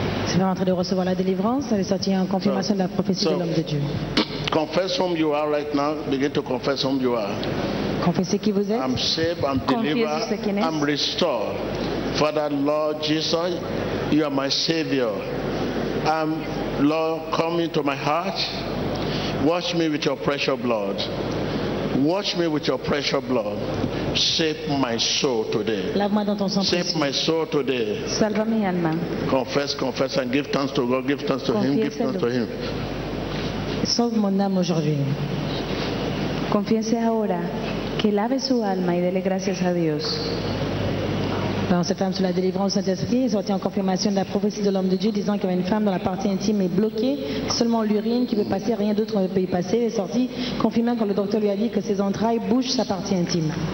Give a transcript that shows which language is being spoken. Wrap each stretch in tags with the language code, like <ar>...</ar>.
<fr>Tu vas rentrer de recevoir la délivrance. Elle est sortie en confirmation de la prophétie de l'homme de Dieu.</fr> <en>Confess whom you are right now. Begin to confess whom you are.</en> <fr>Confessez qui vous êtes.</fr> <en>I'm saved. I'm delivered. I'm restored. Father, Lord Jesus, you are my Savior. I'm Lord, come into my heart. Wash me with your precious blood. Wash me with your precious blood. Save my soul today.</en> <fr>Lave-moi dans ton sang.</fr> <en>Save my soul today.</en> <es>Salve mi alma.</es> <en>Confess, confess, and give thanks to God. Give thanks to</en> <fr>confiez</fr> <en>him. Give thanks to him.</en> <fr>Sauve mon âme aujourd'hui. Confiez-le ahora.</fr> <es>que lave su alma y dele gracias a Dios.</es> <fr>Pendant cette femme sous la délivrance du Saint-Esprit est sortie en confirmation de la prophétie de l'homme de Dieu disant qu'il y avait une femme dont la partie intime est bloquée, seulement l'urine qui peut passer, rien d'autre ne peut y passer. Elle est sortie confirmant quand le docteur lui a dit que ses entrailles bouchent sa partie intime.</fr>